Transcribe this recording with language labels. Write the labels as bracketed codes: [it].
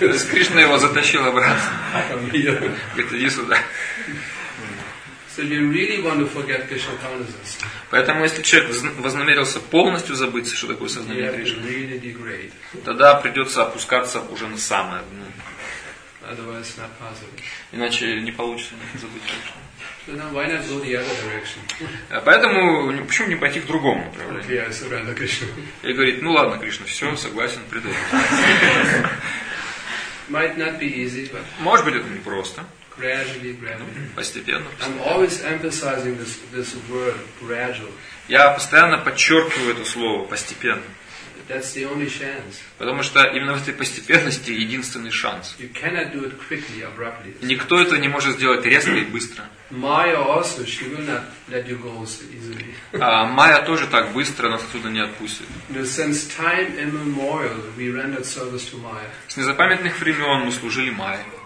[ru] Кришна его затащил обратно. Говорит, иди сюда. [en] So you really want to forget Krishna consciousness. [ru] Поэтому если человек вознамерился полностью забыться, что такое сознание Кришны, тогда придется опускаться уже на самое дно. [en] Otherwise not possible. [ru] Иначе не получится забыть Кришну. [en] So now why not go the other direction? [ru] Поэтому почему не пойти к другому направлению? [en] Okay, I surrender Krishna. [ru] И говорит, ну ладно, Кришна, все, согласен, приду. [en] Might not be easy, but. [ru] Может быть, это не просто. [en] Gradually, gradually. [ru] Ну, постепенно. [en] I'm always emphasizing this word gradual. [ru] Я постоянно подчеркиваю это слово постепенно. [en] That's the only chance. [ru] Потому что именно в этой постепенности единственный шанс. [en] You cannot do it quickly, abruptly. [ru] Никто это не может сделать резко и быстро. [en] Maya also, she will not let you go so easily. [ru] Майя тоже так быстро нас отсюда не отпустит. [en] Since time immemorial, we rendered service to Maya. [ru] С незапамятных времен мы служили Майе.